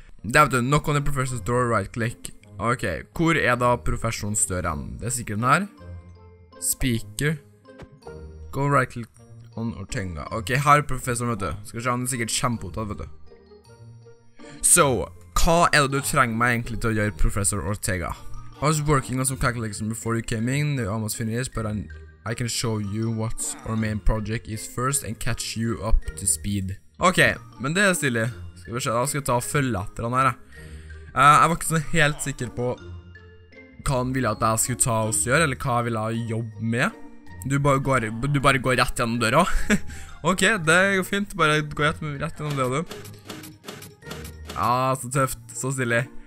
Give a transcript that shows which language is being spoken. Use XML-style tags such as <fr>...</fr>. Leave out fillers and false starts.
<no>Det vet du,</no> <en>knock on the professor's door, right click.</en> <no>Ok, hvor er da professionens dør enn? Det er sikkert den her. Speaker.</no> <en>Go right click on Ortega.</en> <no>Ok, her er professoren, vet du. Skal se, han er sikkert kjempeopptatt, vet du. Så, hva er det du trenger meg egentlig til å gjøre, professor Ortega?</no> <en>I was working on some calculations before you came in. They almost finished, but I can show you what our main project is first and catch you up to speed.</en> <no>Ok, men det er stille. Skal vi se, da skal jeg ta og følge etter han her, da. Jeg var ikke sånn helt sikker på hva han ville at jeg skulle ta og gjøre, eller hva jeg ville jobbe med. Du bare går rett gjennom døra. Ok, det er jo fint. Bare gå rett gjennom døra, du. Ja, så tøft. Så stille.</no>